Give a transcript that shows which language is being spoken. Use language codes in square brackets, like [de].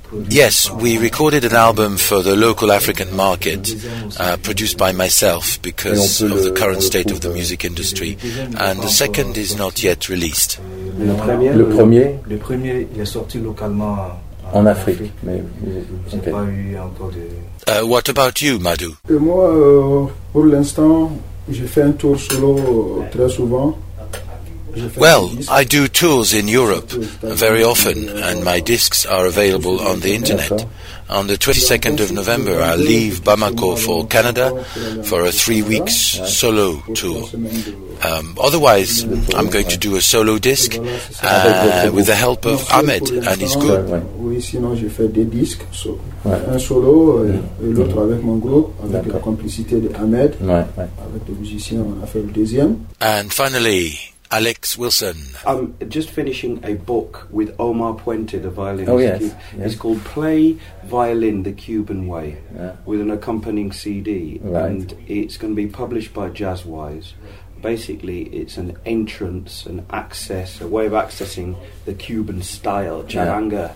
[en] Yes, we recorded an album for the local African market, produced by myself because of the current state of the music industry, and the second is not yet released. [fr] Le premier? Le premier est sorti localement en Afrique, mais j'ai pas eu encore de. [en] What about you, Madou? [fr] Moi, pour l'instant, je fais un tour solo très souvent. [en] Well, I do tours in Europe very often, and my discs are available on the internet. On the 22nd of November, I leave Bamako for Canada for a 3 weeks solo tour. Otherwise, I'm going to do a solo disc with the help of Ahmed and his group. [fr] Oui, sinon je fais des disques, un solo et l'autre avec mon groupe, avec la complicité de Ahmed, avec le musicien, on a fait le deuxième. [en] And finally, Alex Wilson. I'm just finishing a book with Omar Puente, the violinist. Oh, yes. It's called Play Violin the Cuban Way, with an accompanying CD. Right. And it's going to be published by Jazzwise. Basically, it's an entrance, an access, a way of accessing the Cuban style, charanga.